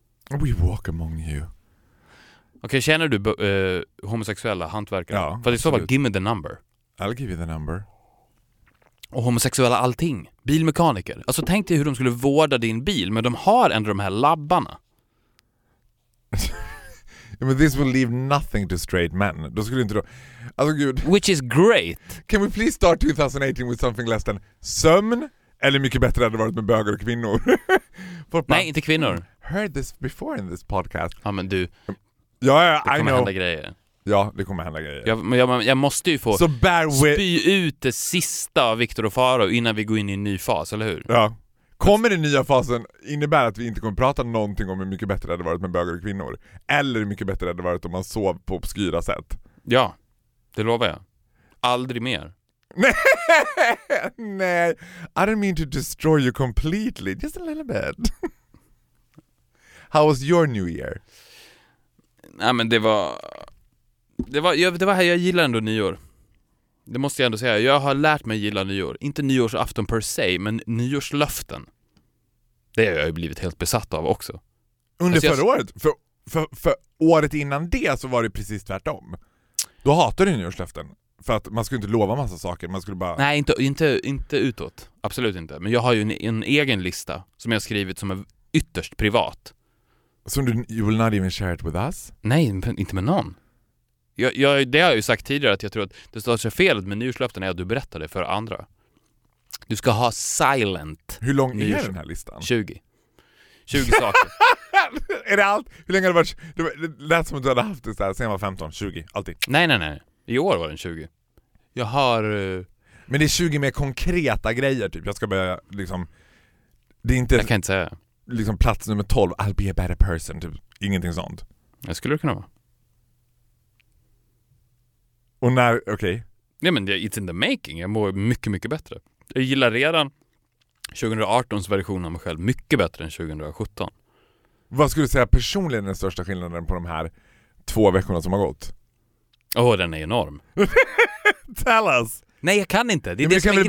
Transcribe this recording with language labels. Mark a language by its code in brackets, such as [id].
[en] We walk among you. [sv] Okej, känner du homosexuella hantverkare? Ja, för det är så bara, [en] give me the number. I'll give you the number. [sv] Och homosexuella allting. Bilmekaniker. Alltså tänk dig hur de skulle vårda din bil, men de har ändå de här labbarna. [en] I mean, this will leave nothing to straight men. [sv] Då skulle inte då... Alltså, gud. [en] Which is great. Can we please start 2018 with something less than sömn? [sv] Eller mycket bättre hade det varit med bögar och kvinnor. Nej, inte kvinnor. [en] Heard this before in this podcast. [sv] Ja, men du. Ja, ja, det kommer [en] I know. [sv] Hända grejer. Ja, det kommer hända grejer. Jag måste ju få spy ut det sista av Victor och Faro innan vi går in i en ny fas, eller hur? Ja. Kommer den nya fasen innebära att vi inte kommer prata någonting om hur mycket bättre det hade varit med bögar och kvinnor? Eller hur mycket bättre det hade varit om man sov på obskyra sätt? Ja, det lovar jag. Aldrig mer. [en] Nej, I don't mean to destroy you completely. Just a little bit. How was your new year? [sv] Nej, men det var jag gillar ändå nyår. Det måste jag ändå säga. Jag har lärt mig gilla nyår. Inte nyårsafton per se, men nyårslöften. Det har jag ju blivit helt besatt av också. Under alltså förra året? För året innan det så var det precis tvärtom. Då hatade du nyårslöften. För att man skulle inte lova massa saker. Man skulle bara... Nej, inte utåt. Absolut inte. Men jag har ju en egen lista som jag har skrivit som är ytterst privat. Som du, [en] you will not even share it with us? [sv] Nej, inte med någon. Det har jag ju sagt tidigare, att jag tror att det största felet med nyårslöften är att du berättar det för andra. Du ska ha silent. Hur lång är den här listan? 20 saker. Är det allt? Hur länge har det varit? Det lät som att du hade haft det så här, sen var 15, 20, alltid. Nej. I år var det 20. Jag har... Men det är 20 mer konkreta grejer typ. Jag ska börja liksom... Det är inte, jag kan inte säga. Liksom plats nummer 12, [en] I'll be a better person. [sv] Typ. Ingenting sånt. Det skulle det kunna vara. Och när, okej. [en] Okay. [sv] Nej, men [en] it's in the making. [sv] Jag mår mycket, mycket bättre. Jag gillar redan 2018s version av mig själv mycket bättre än 2017. Vad skulle du säga personligen är den största skillnaden på de här två veckorna som har gått? Åh, den är enorm. [en] Tell us! [sv] Nej, jag kan inte. Det är det som är grejen.